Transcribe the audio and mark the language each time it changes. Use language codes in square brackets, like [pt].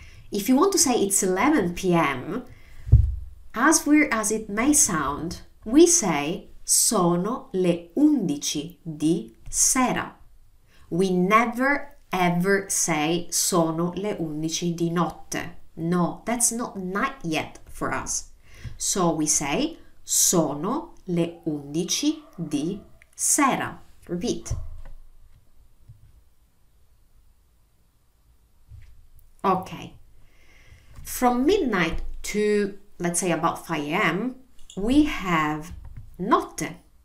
[en] If you want to say it's 11 p.m., as weird as it may sound, we say [it] sono le 11 di sera. [en] We never ever say [it] sono le 11 di notte. [en] No, that's not night yet for us. So we say [it] sono le 11 di sera. [en] Repeat. Okay. From midnight to, let's say, about 5 a.m., we have notte.